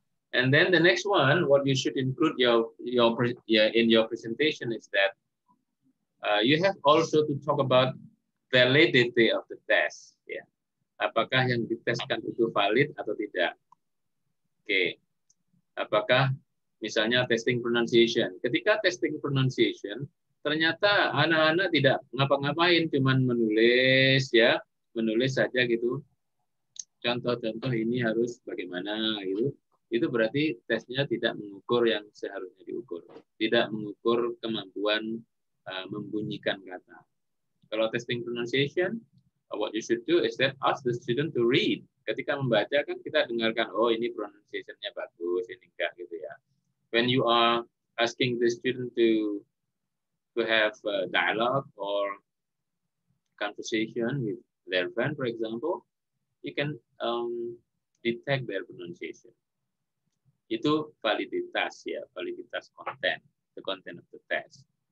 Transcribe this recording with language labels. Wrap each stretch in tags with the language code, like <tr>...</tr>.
<en>And then the next one, what you should include in your presentation is that you have also to talk about validity of the test. Yeah.</en> <id>Apakah yang diteskan itu valid atau tidak? Okay. Apakah misalnya testing pronunciation? Ketika testing pronunciation, ternyata anak-anak tidak ngapa-ngapain, cuman menulis ya, menulis saja gitu. Contoh-contoh ini harus bagaimana gitu. Itu berarti tesnya tidak mengukur yang seharusnya diukur. Tidak mengukur kemampuan membunyikan kata.</id> <en>Kalau testing pronunciation, what you should do is that ask the student to read.</en> <id>Ketika membaca kan kita dengarkan, oh ini pronunciation-nya bagus, ini enggak gitu ya.</id> <en>When you are asking the student to have a dialogue or conversation with their friend, for example, you can detect their pronunciation.</en> <id>Itu validitas ya, validitas konten,</id> <en>the content of the test.</en>